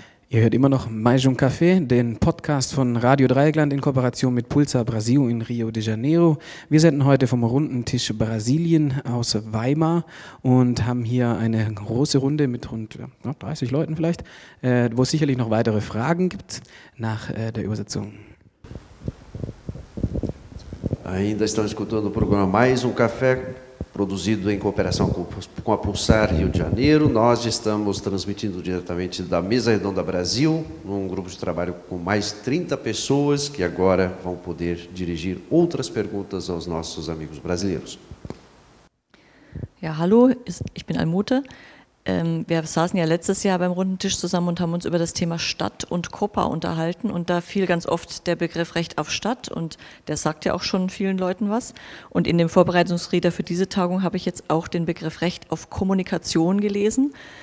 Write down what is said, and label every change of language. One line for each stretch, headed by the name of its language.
German: Ihr hört immer noch Maijum Café, den Podcast von Radio Dreieckland in Kooperation mit Pulsar Brasil in Rio de Janeiro. Wir senden heute vom runden Tisch Brasilien aus Weimar und haben hier eine große Runde mit rund 30 Leuten vielleicht, wo es sicherlich noch weitere Fragen gibt nach der Übersetzung.
Portuguese: Ainda estão escutando o programa Maijum Café, produzido em cooperação com a Pulsar Rio de Janeiro. Nós estamos transmitindo diretamente da Mesa Redonda Brasil, num grupo de trabalho com mais 30 pessoas, que agora vão poder dirigir outras perguntas aos nossos amigos brasileiros.
German: Ja, hallo, ich bin Almute. Wir saßen ja letztes Jahr beim Runden Tisch zusammen und haben uns über das Thema Stadt und Copa unterhalten. Und da fiel ganz oft der Begriff Recht auf Stadt und der sagt ja auch schon vielen Leuten was. Und in dem Vorbereitungsreader für diese Tagung habe ich jetzt auch den Begriff Recht auf Kommunikation gelesen.